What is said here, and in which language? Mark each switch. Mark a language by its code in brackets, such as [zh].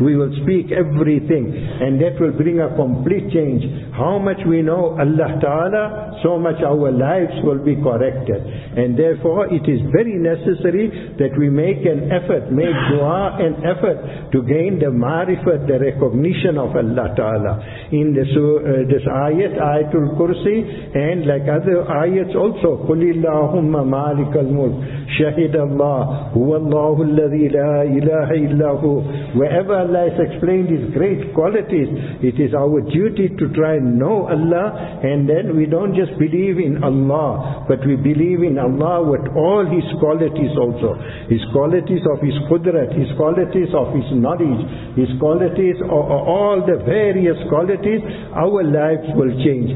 [en] We will speak everything and that will bring a complete change. How much we know Allah Ta'ala, so much our lives will be corrected. And therefore it is very necessary that we make an effort, make dua an effort to gain the marifat, the recognition of Allah Ta'ala. In this ayat, Ayatul Kursi, and like other ayats also, [ar] قُلِ اللَّهُمَّ مَالِكَ الْمُلْكِ شَهِدَ اللَّهُ هُوَ اللَّهُ الَّذِي لَا إِلَهَ إِلَّا هُوَ. [en] Wherever Allah has explained His great qualities, it is our duty to try and know Allah, and then we don't just believe in Allah, but we believe in Allah with all His qualities also. His qualities of His Qudrat, His qualities of His knowledge, His qualities of all the various qualities, our lives will change.